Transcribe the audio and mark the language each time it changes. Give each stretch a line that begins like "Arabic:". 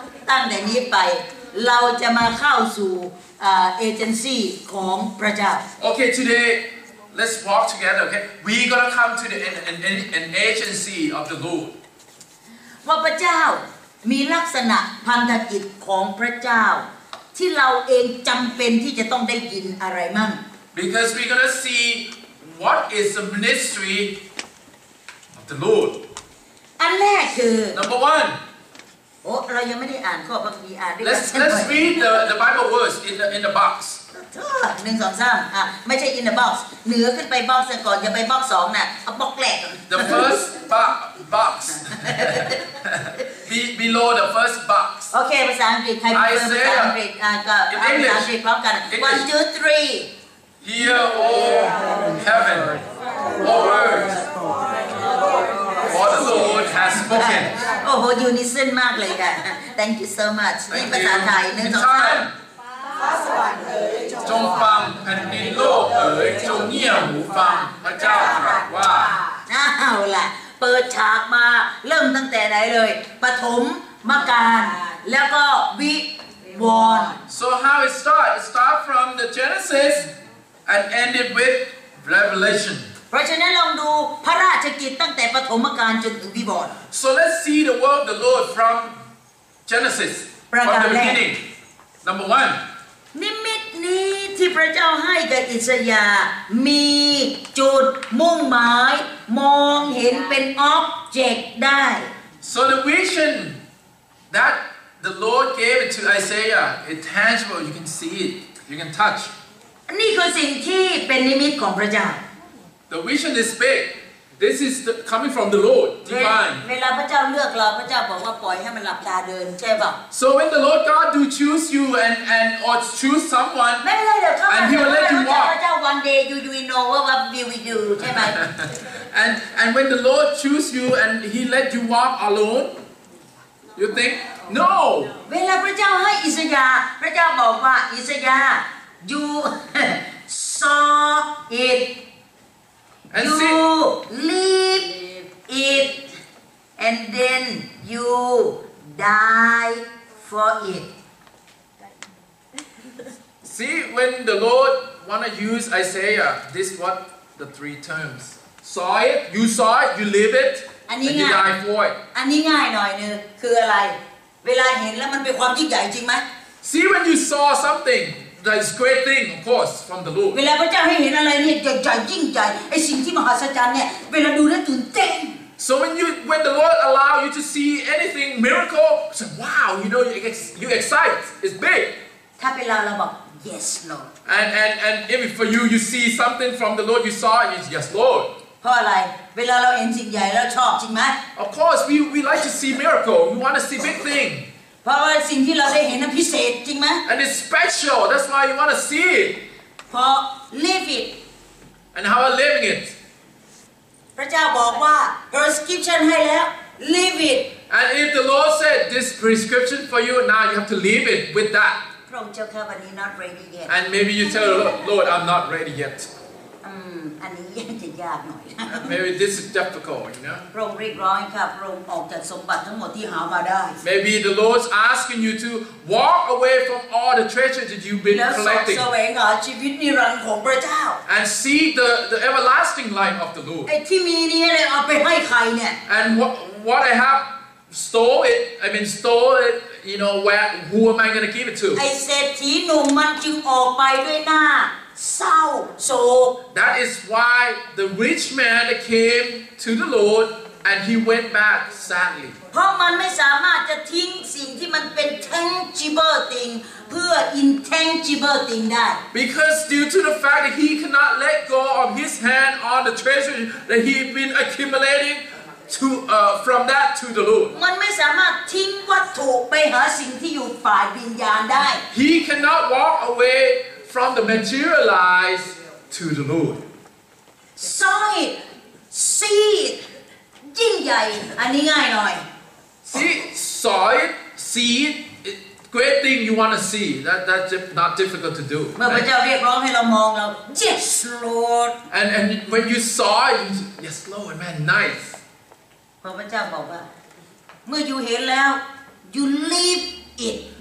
Thai: ตั้งแต่นี้ไปเราจะมาเข้าสู่เอเจนซี่ของพระเจ้า
English: โอเค today let's walk together okay we gonna come to the an agency of the Lord
Thai: ว่าพระเจ้ามีลักษณะพันธกิจของพระเจ้าที่เราเองจำเป็นที่จะต้องได้ยินอะไรมั่ง
English: because we gonna see what is the ministry of the Lord.
Thai: อันแรกคือ
English: Number one.
Thai: โอ้เรายังไม่ได้อ่านข้อพระคัมภีร์อ่านด้วยกัน
English: Let's read the Bible verse in the box
Thai: หนึ่งสองสามอ่ะไม่ใช่
English: in the box
Thai: เหนือขึ้นไป box ก่อนอย่าไป box สองน่ะเอาบอกแหลก
English: The first box below the first box
Thai: โอเคภาษาอังกฤษใครเป็นภาษาอังกฤษก็ภาษาอังกฤษพร้อมกัน
English: one two three Hear O heaven O earthWhat the Lord has spoken. Oh, unison
Thai: มากเลยค่ะ
English: Thank you so much.
Thai: นี่ภาษาไทยหนึ่งสองส าม ฟ้าสว่างเอ๋ย จงฟังแผ่นดินโลกเอ๋ยจงเงียบหูฟังพระเจ้าตรัสว่า เอาล่ะเปิดฉากมาเริ่มตั้งแต่ไหนเลยปฐมมกาลแล้วก็วิวรณ์
English: So how it start? It start from the Genesis and ended with Revelation.
Thai: เพราะฉะนั้นลองดูพระราชกิจตั้งแต่ปฐมกาลจนถึงวิวรณ์
English: So let's see the work of the Lord from Genesis from the beginning Number one
Thai: นิมิตนี้ที่พระเจ้าให้กับอิสยาห์มีจุดมุ่งหมายมองเห็นเป็นออบเจกต์ได้
English: So the vision that the Lord gave it to Isaiah it's tangible you can see it you can touch
Thai: นี่คือสิ่งที่เป็นนิมิตของพระเจ้า
English: The vision is big. This is coming from the Lord, divine.
Thai: เวลาพระเจ้าเลือกเราพระเจ้าบอกว่าปล่อยให้มันหลับตาเดินใช่ป่ะ
English: So when the Lord God do choose you and or choose someone,
Thai: ไม่เป็นไรเดี๋ยวเข้ามา
English: and He will let you walk.
Thai: พระเจ้า
English: one day you know what will we do
Thai: ใช่ไหม
English: And when the Lord choose you and He let you walk alone, you think no.
Thai: เวลาพระเจ้าให้อิสยาห์พระเจ้าบอกว่าอิสยาห์
English: you saw it And you leave it, and then you die for it. See, when the Lord want to use Isaiah, this what the three terms. Saw it, you live it, and you die for it.
Thai: อันนี้ง่ายหน่อยนึงคืออะไรเวลาเห็นแล้วมันเป็นความยิ่งใหญ่จริงไหม
English: See, when you saw something. That's a great thing, of course, from the Lord.
Thai: เวลาพระเจ้าให้เห็นอะไรเนี่ยใหญ่ยิ่งใหญ่ไอ้สิ่งที่มหัศจรรย์เนี่ยเวลาดูแล้วตื่นเต้น
English: So when the Lord allow you to see anything miracle, it's like wow, you know, you excite, it's big.
Thai: ถ้าเป็นเราเราบอก
English: yes Lord. And if for you you see something from the Lord, you saw it, yes Lord.
Thai: เพราะอะไรเวลาเราเห็นสิ่งใหญ่เราชอบจริงไหม
English: Of course, we like to see miracle. We want to see big thing. เพราะว่าสิ่งที่เราได้เห็นนั้นพิเศษจริงไหม And it's special. That's why you want to see it.
Thai: เพราะ
English: live it. And how are living it?
Thai: พระเจ้าบอกว่า prescription ให้แล้ว
English: live it. And if the Lord said this prescription for you, now you have to live it with that.
Thai: พระองค์เจ้าค่ะวันนี้
English: not ready yet. And maybe you tell Lord, I'm not ready yet.
Thai: อันนี้ยากหน่อย
English: Maybe this is difficult, you know.
Thai: พระองค์เรียกร้องค่ะพระองค์ออกจากสมบัติทั้งหมดที่หามาได้
English: Maybe the Lord's asking you to walk away from all the treasures that you've been collecting.
Thai: แล้วแสวงหาชีวิตนิรันดร์ของพระเจ้า
English: And see the everlasting life of the Lord.
Thai: ไอ้ที่มีนี่เลยเอาไปให้ใครเนี่ย
English: And what I have stole it, you know, who am I going to give it to?
Thai: ไอ้เศรษฐีหนุ่มมันจึงออกไปด้วยหน้า
English: So that is why the rich man came to the Lord and he went back sadly.
Thai: เพราะมันไม่สามารถจะทิ้งสิ่งที่มันเป็น
English: tangible thing
Thai: เพื่อ
English: intangible thing
Thai: ได้
English: Because due to the fact that he cannot let go of his hand on the treasure that he's been accumulating from that to the Lord.
Thai: มันไม่สามารถทิ้งวัตถุไปหาสิ่งที่อยู่ฝ่ายวิญญาณได้
English: He cannot walk awayFrom the materialized to the Lord. Saw it, see it,
Thai: ยิ่งใหญ่อันนี้ง่ายหน่อย
English: See, saw it, see it, great thing you want to see. That's not difficult to do.
Thai: เมื่อพระเจ้าเรียกร้องให้เรามองเรา
English: Yes, Lord. And when you saw it, yes, Lord, man, nice.
Thai: เพราะพระเจ้าบอกว่าเมื่ออยู่เห็นแล้ว
English: you leave it.